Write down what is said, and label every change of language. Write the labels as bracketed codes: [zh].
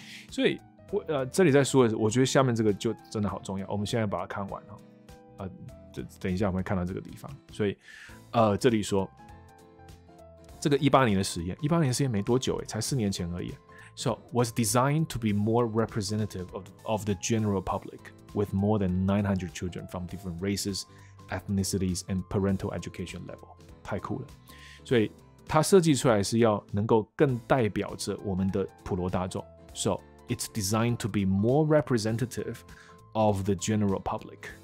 [zh] 所以我这里在说的是，我觉得下面这个就真的好重要。我们现在把它看完哈，等一下我们会看到这个地方。所以这里说这个18年的实验没多久哎，才4年前而已。 [en] So was designed to be more representative of the general public. With more than 900 children from different races, ethnicities, and parental education level. [zh] 太酷了。所以它设计出来是要能够更代表着我们的普罗大众。 [en] So, it's designed to be more representative of the general public.